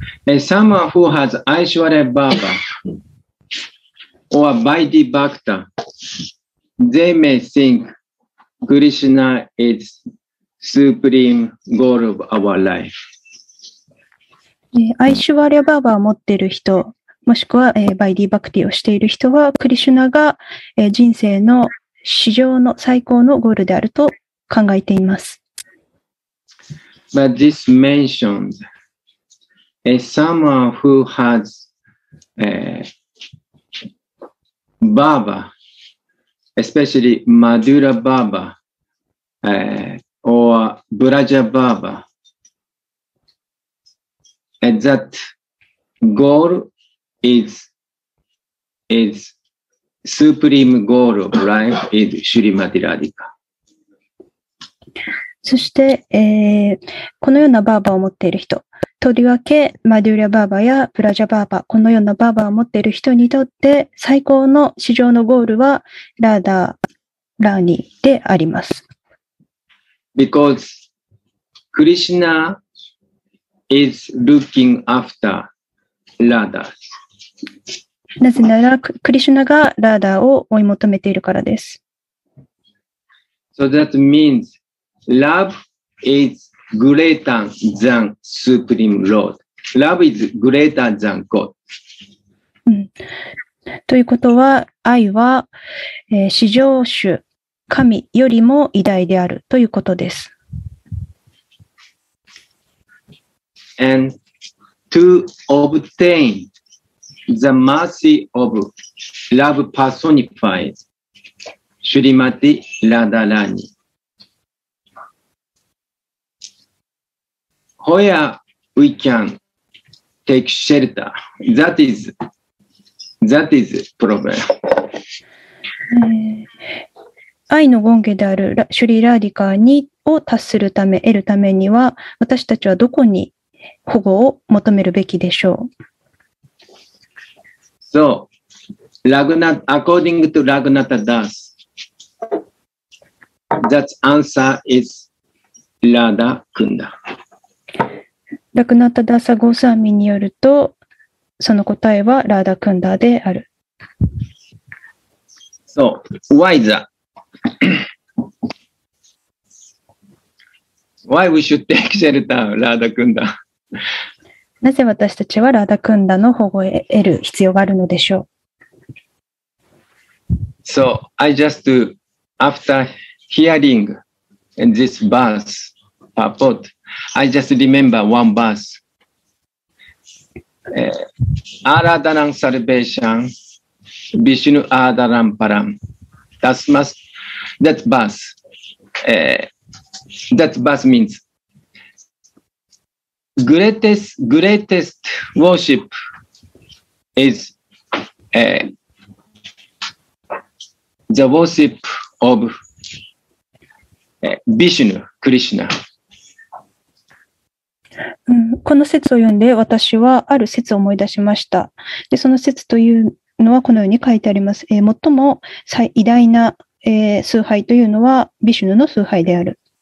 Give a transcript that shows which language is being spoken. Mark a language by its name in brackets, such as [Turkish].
[English] Someone who has Aishwarya Baba or Vaidhi Bhakta, they may think Krishna is supreme goal of our life. [Japanese] アイシュワリアバーバーを持っている人、もしくは、バイディバクティをしている人は、クリシュナが、人生の至上の最高のゴールであると考えています。 [English] But this mentions someone who has Baba, especially Madhura Baba, or Braja Baba. That goal is is supreme goal of life is Srimati Radhika. [Japanese] そして、このようなバーバーを持っている人、とりわけマデュリアバーバーやプラジャバーバー、このようなバーバーを持っている人にとって最高の至上のゴールはラーダラーニーであります。 [English] Because Krishna is looking after Radha. [Japanese] なぜなら、クリシュナがラーダを追い求めているからです。 [English] So that means love is greater than Supreme Lord. Love is greater than God.、 [Japanese] うん、ということは、愛は、至上主、神よりも偉大であるということです。 [English] And to obtain the mercy of love personified, Srimati Radharani. Where we can take shelter. That is problem. [Japanese] 愛の権化であるシュリラーディカにを達するため、得るためには、私たちはどこに保護を求めるべきでしょう。 [English] So, according to Raghunatha Das, that answer is Radha Kunda. [Japanese] ラクナタダサゴサミによるとその答えはラーダクンダである。 [English] So, why that? Why we should take shelter ラーダクンダ？ [Japanese] なぜ私たちはラーダクンダの保護を得る必要があるのでしょう？ [English] So, I just after hearing this verse purportI just remember one verse. [Sanskrit] Aradhanam salvation, Vishnu Aradhanam param. [English] That verse means greatest worship is the worship of Vishnu, Krishna. [Japanese] うん、この説を読んで私はある説を思い出しました。でその説というのはこのように書いてあります。最も偉大な、崇拝というのはビシュヌの崇拝である。